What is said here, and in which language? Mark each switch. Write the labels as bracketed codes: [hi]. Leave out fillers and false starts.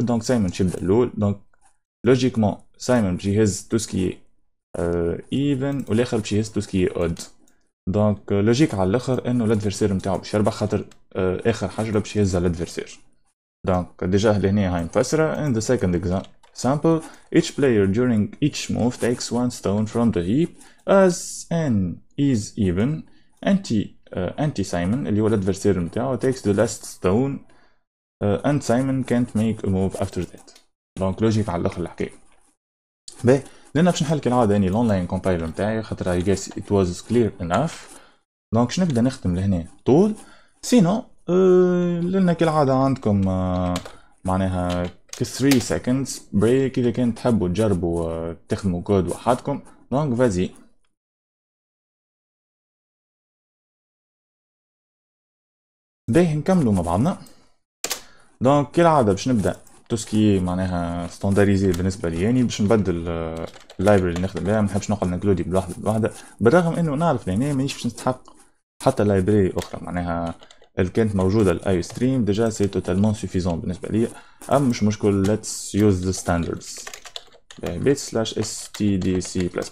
[ar] دونك سايمون باش يبدا الأول. دونك لوجيكمون سايمون باش يهز توسكي ايفن والآخر باش يهز توسكي اود. دونك لوجيك على الآخر أنو الادفيرسير نتاعو باش يربح خاطر آخر حجرة باش يهزها الادفيرسير. دونك ديجا لهنا هاي مفسرة. [en] In the second example, each player during each move takes one stone from the heap as n is even. Anti Simon [ar] اللي هو الادفيرسير نتاعو [en] takes the last stone and Simon can't make a move after that. [ar] دونك لوجيك على الاخر الحكاية. باهي لان باش نحل كالعادة اني الاونلاين كومبايلر نتاعي خاطر [en] I guess it was clear enough. [ar] دونك شنبدا نخدم لهنا طول سينو لنا كالعادة عندكم معناها [en] 3 seconds break [ar] إذا كنت تحبوا تجربوا تخدموا كود وحدكم. دونك فازي باهي نكملوا مع بعضنا. دونك كالعادة باش نبدأ توسكي معناها ستاندريزي بالنسبة لي يعني باش نبدل اللايبرري اللي نخدم بها. ما نحبش نقعد نكلودي بالوحدة بالوحدة بالرغم إنه نعرف لهنا مانيش باش نستحق حتى لايبرري أخرى معناها اللي كانت موجودة الاي ستريم ديجا سي توتالمون سوفيزون بالنسبة لي. أما مش مشكل [en] let's use the standards bit slash stdc++.h.